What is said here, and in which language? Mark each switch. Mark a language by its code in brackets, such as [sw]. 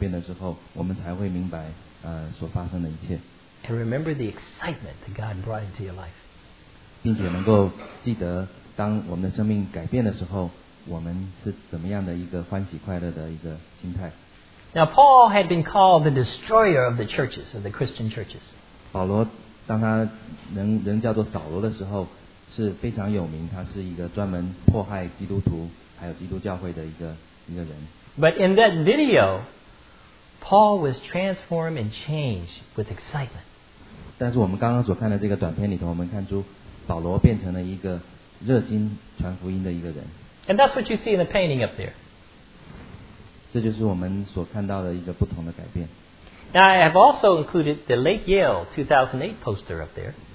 [zh] 当我们变成一个基督徒的时候呢，我们再回头看看经过了这么多年的一些改变的时候，我们才会明白所发生的一切。 [en] And remember the excitement that God brought into your life. [zh] 并且能够记得，当我们的生命改变的时候，我们是怎么样的一个欢喜快乐的一个心态。 [en] Now Paul had been called the destroyer of the churches, of the Christian churches. [zh] 保罗当他人叫做扫罗的时候，是非常有名，他是一个专门迫害基督徒还有基督教会的一个人。 [en] But in that video, Paul was transformed and changed with excitement. [zh] 但是我们刚刚所看的这个短片里头，我们看出 保罗变成了一个热心传福音的一个人。 [en] And that's what you see in the painting up there. [zh] 这就是我们所看到的一个不同的改变。 [en] Now I have also included the Lake Yale 2008 poster up there.